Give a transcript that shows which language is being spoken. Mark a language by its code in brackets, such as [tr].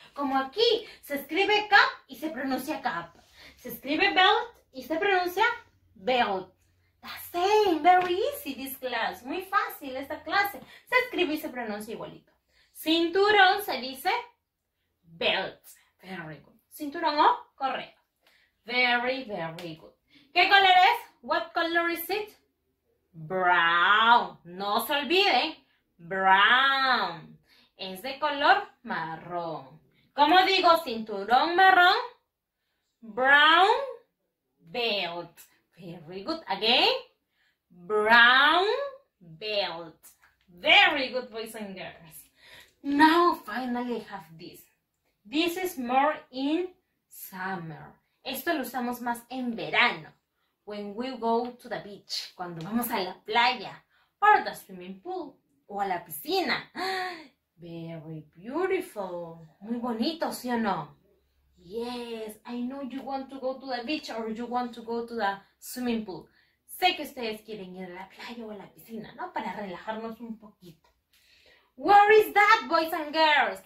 [es] Como aquí, se escribe cap y se pronuncia cap. Se escribe belt y se pronuncia belt. [en] The same, very easy this class. [es] Muy fácil esta clase. Se escribe y se pronuncia igualito. Cinturón se dice belt. [en] Very good. [es] Cinturón o correa. [en] Very, very good. [es] ¿Qué color es? [en] What color is it? Brown, [es] no se olviden, brown, es de color marrón. ¿Cómo digo cinturón marrón? [en] Brown belt, very good, again, brown belt, very good boys and girls. Now finally I have this, this is more in summer, [es] esto lo usamos más en verano. [en] When we go to the beach, [es] cuando vamos a la playa, [en] or the swimming pool, [es] o a la piscina. [en] Very beautiful. [es] Muy bonito, ¿sí o no? [en] Yes, I know you want to go to the beach or you want to go to the swimming pool. [es] Sé que ustedes quieren ir a la playa o a la piscina, ¿no? Para relajarnos un poquito. [en] Where is that, boys and girls?